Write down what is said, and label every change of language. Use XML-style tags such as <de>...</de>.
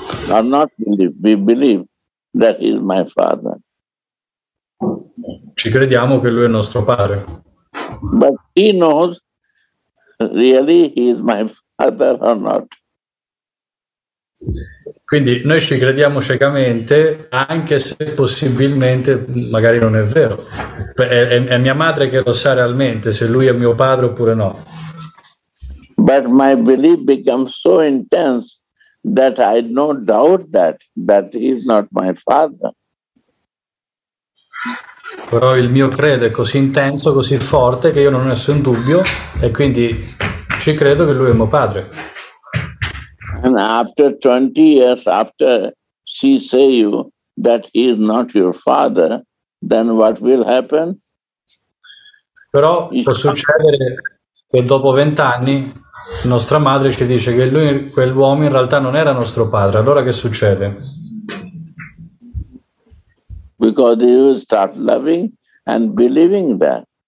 <en>Or not believe, we believe that is my father.</en> <it>Ci crediamo che lui è nostro padre.</it> <en>But he knows really he is my father or not.</en> <it>Quindi noi ci crediamo ciecamente, anche se possibilmente magari non è vero. È mia madre che lo sa realmente se lui è mio padre oppure no.</it> <en>But my belief becomes so intense that I no doubt that he is not my father.</en> <it>Però il mio credo è così intenso, così forte, che io non ho nessun dubbio e quindi ci credo che lui è mio padre.</it> <en>And after 20 years, after she say you that he is not your father, then what will happen?</en> <it>Però può succedere, E dopo 20 anni nostra madre ci dice che lui, quell'uomo in realtà non era nostro padre. Allora che succede?</it> <en>Because you start loving and believing that.</en>